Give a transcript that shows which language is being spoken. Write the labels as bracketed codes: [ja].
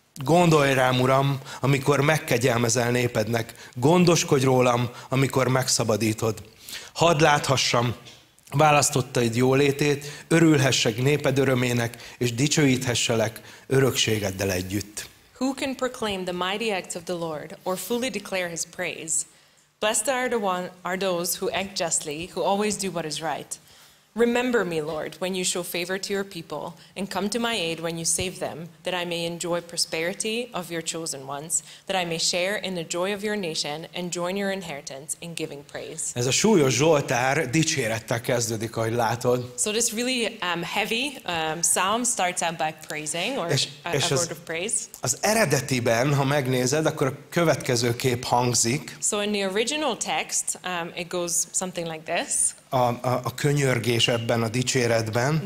[hu] Gondolj rám, Uram, amikor megkegyelmezel népednek. Gondoskodj rólam, amikor megszabadítod. Hadd láthassam választottaid jólétét, örülhessek néped örömének, és dicsőíthesselek örökségeddel együtt. [en] Who can proclaim the mighty acts of the Lord, or fully declare his praise? Blessed are those who act justly, who always do what is right. Remember me, Lord, when you show favor to your people, and come to my aid when you save them, that I may enjoy prosperity of your chosen ones, that I may share in the joy of your nation, and join your inheritance in giving praise. [hu] Ez a súlyos Zsoltár dicsérettel kezdődik, ahogy látod. [en] So this really heavy psalm starts out by praising, or a word of praise. [hu] Az eredetiben, ha megnézed, akkor a következő kép hangzik. [en] So in the original text, it goes something like this. [hu] A könyörgés ebben a dicséretben.